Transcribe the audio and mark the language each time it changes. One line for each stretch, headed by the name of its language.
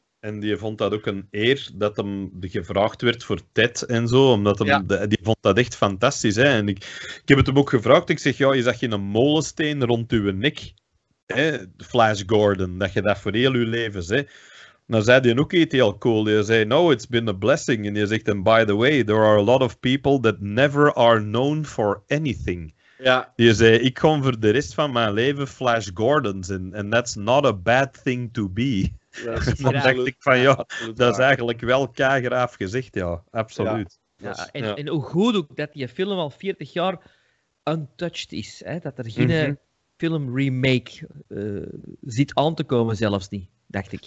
Dutch: En die vond dat ook een eer dat hem gevraagd werd voor Ted en zo. Omdat hem, die vond dat echt fantastisch. Hè? En ik heb het hem ook gevraagd. Ik zeg, je zag geen molensteen rond uw nek. Hè? Flash Gordon, dat je dat voor heel uw leven zei. Nou zei hij ook iets heel cool. Je zei,
English: no, it's been a blessing.
Dutch: En je zegt,
English: and by the way, there are a lot of people that never are known for anything.
Dutch: Ja. Je zei, ik kom voor de rest van mijn leven Flash Gordon's in.
English: And that's not a bad thing to be.
Dutch: Ja, dan dacht ik van, dat is eigenlijk wel keigraaf gezegd, absoluut. Ja. En hoe goed ook dat die film al 40 jaar untouched is, hè? Dat er geen filmremake zit aan te komen, zelfs niet, dacht ik.